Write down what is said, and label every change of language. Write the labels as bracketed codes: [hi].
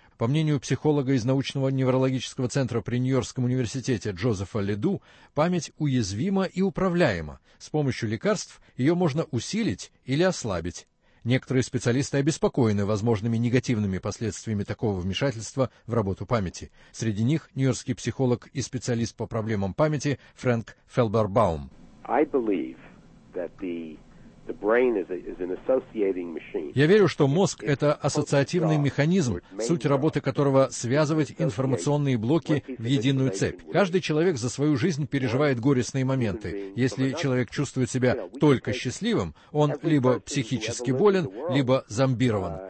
[ru] По мнению психолога из научного неврологического центра при Нью-Йоркском университете Джозефа Леду, память уязвима и управляема. С помощью лекарств ее можно усилить или ослабить. Некоторые специалисты обеспокоены возможными негативными последствиями такого вмешательства в работу памяти. Среди них нью-йоркский психолог и специалист по проблемам памяти Фрэнк Фелбербаум. [en] I believe that the brain is an associating machine. [ru] Я верю, что мозг — это ассоциативный механизм, суть работы которого — связывать информационные блоки в единую цепь. Каждый человек за свою жизнь переживает горестные моменты. Если человек чувствует себя только счастливым, он либо психически болен, либо зомбирован.